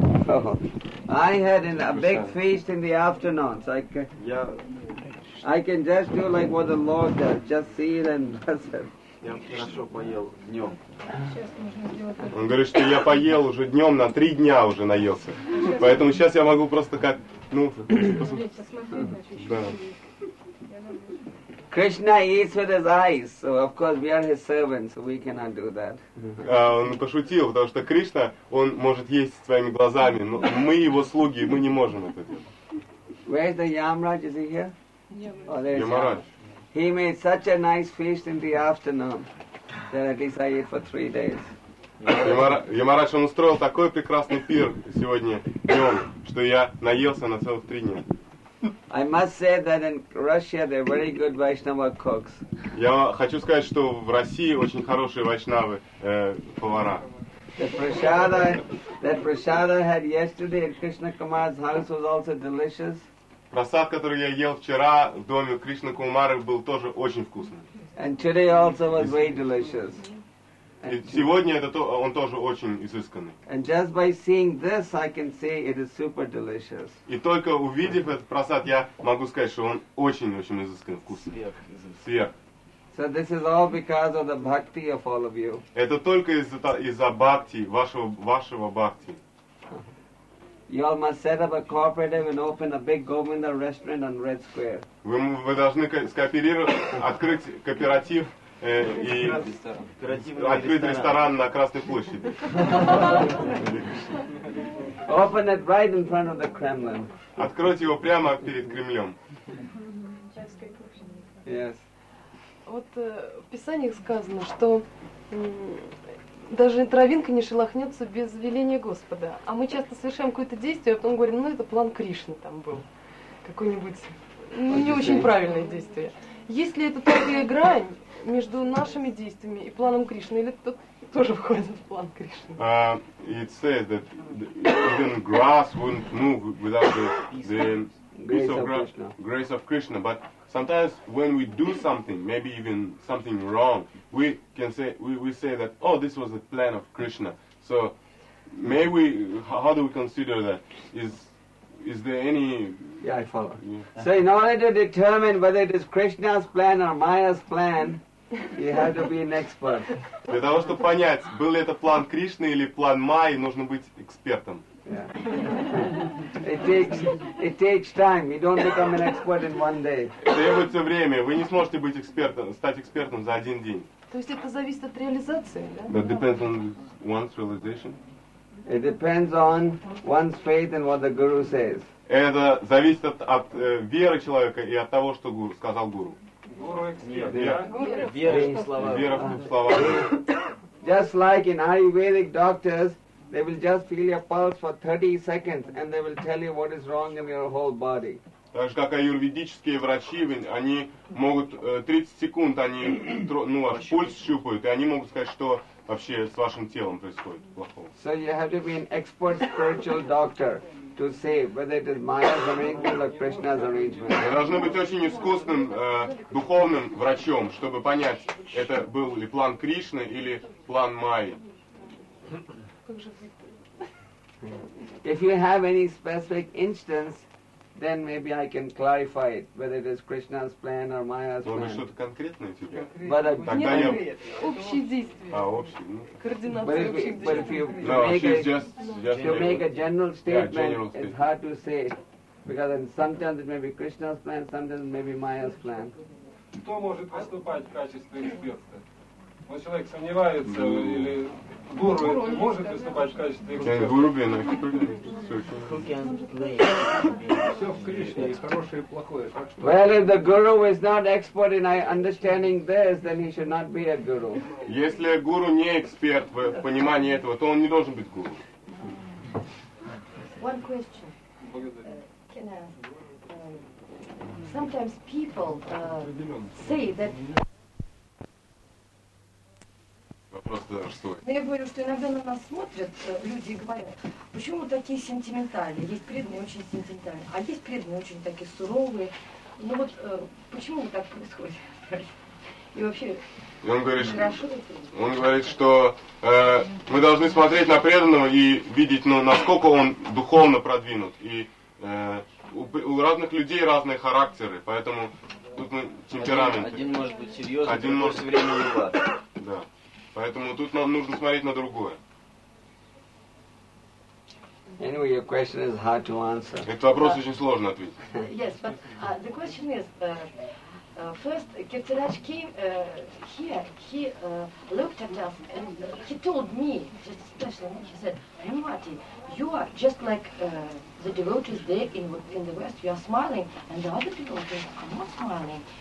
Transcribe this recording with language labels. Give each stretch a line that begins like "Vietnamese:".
English: Oh. I had a big feast in the afternoon. So I can just do like what the Lord does. Just see it and bless it.
Russian: Он говорит, что я поел уже днем, на три дня уже наелся. Поэтому сейчас я могу просто как, ну, посмотреть.
English: Кришна eats with his eyes, so of course we are his servants, so we cannot do that.
Russian: Он пошутил, потому что Кришна, он может есть своими глазами, но мы его слуги, мы не можем это делать.
English: Where is the Yamraj? Is he here? Yamraj. He made such a nice feast in the afternoon that at least I ate for 3 days.
Russian: Ямарадж, он устроил такой прекрасный пир сегодня днем, что я наелся на целых 3 дня.
English: I must say that in Russia they're very good Vaishnava cooks.
Russian: Я хочу сказать, что в России очень хорошие вайшнавы повара.
English: The prasada had yesterday at Krishna Kumar's house was also delicious.
Russian: Прасад, который я ел вчера в доме Кришны Кумары, был тоже очень вкусным.
English: And today also was very delicious.
Russian: И сегодня он тоже очень изысканный.
English: And just by seeing this, I can say it is super delicious.
Russian: И только увидев этот прасад, я могу сказать, что он очень-очень изысканный, вкусный. Сверх.
English: So this is all because of the bhakti of all of you.
Russian: Это только из-за бхакти, вашего бхакти.
English: You all must set up a cooperative and open a big Govinda restaurant on Red Square.
Russian: Вы должны скооперировать, открыть кооператив и открыть ресторан на Красной площади.
English: Open it right in front of the Kremlin.
Russian: Откройте его прямо перед Кремлем.
English: Yes.
Russian: Вот в Писаниях сказано, что даже травинка не шелохнется без веления Господа. А мы часто совершаем какое-то действие, а потом говорим, ну это план Кришны там был. Какое-нибудь не очень правильное действие. Есть ли это тонкая грань между нашими действиями и планом Кришны, или это тоже входит в план Кришны?
English: It says that even grass wouldn't move without the grace of Krishna. But sometimes when we do something, maybe even something wrong, we can say we say that, oh, this was the plan of Krishna. So may we, how do we consider that? Is there any? Yeah, I follow. Yeah. So in order to determine whether it is Krishna's plan or Maya's plan, you have to be an expert.
Russian: Для того чтобы понять, был ли это план Кришны или план Майи, нужно быть экспертом.
English: Yeah. It takes time. You don't become an expert in one day.
Russian: Требуется время. Вы не сможете быть экспертом, стать экспертом за один день. То есть это зависит от реализации, да?
English: That depends on one's realization. It depends on one's faith and what the guru says.
Russian: Это зависит от веры человека и от того, что гуру сказал гуру. Вера в слова.
English: Just like in Ayurvedic doctors. They will just feel your pulse for 30 seconds, and they will tell you what is wrong in your whole body.
Russian: Так же, как аюрведические врачи, они могут 30 секунд, они, ну, ваш пульс щупают, и они могут сказать, что вообще с вашим телом происходит плохого.
English: So you have to be an expert spiritual doctor to say whether it is Maya's arrangement or Krishna's arrangement.
Russian: Вы должны быть очень искусным духовным врачом, чтобы понять, это был ли план Кришны или план Майи.
English: If you have any specific instance, then maybe I can clarify it, whether it is Krishna's plan or Maya's plan.
Russian: Но что-то конкретное тебе.
English: But
Russian: тогда нет, я... общие действия. А, общие, ну. Координация общих действий.
English: No, if you make a general statement, yeah, general statement, it's hard to say. Because then sometimes it may be Krishna's plan, sometimes it may be Maya's plan.
Russian: Кто может выступать в качестве эксперта? Вот человек сомневается, или гуру может выступать в качестве эксперта? Гуру, все в Кришне, и хорошее, и плохое.
English: Well, if the guru is not expert in understanding this, then he should not be a guru.
Russian: Если гуру не эксперт в понимании этого, то он не должен быть гуру.
English: One question. Can I ask? Sometimes people say that...
Russian: Просто, я говорю, что иногда на нас смотрят люди и говорят, почему такие сентиментальные, есть преданные очень сентиментальные, а есть преданные очень такие суровые. Ну вот почему так происходит? И вообще, и он говорит, хорошо это? Он говорит, что мы должны смотреть на преданного и видеть, ну, насколько он духовно продвинут. И у разных людей разные характеры, поэтому тут мы темпераменты. Один может быть серьезный, один может все время улыбаться. Да. Поэтому тут нам нужно смотреть на другое.
English: Anyway, your question is hard to answer.
Russian: Этот вопрос очень сложно ответить.
English: Yes, but the question is, first, Kirtiraj came here, he looked at us, and he told me, just especially, he said, Rinwati, you are just like the devotees there in the West, you are smiling, and the other devotees are not smiling.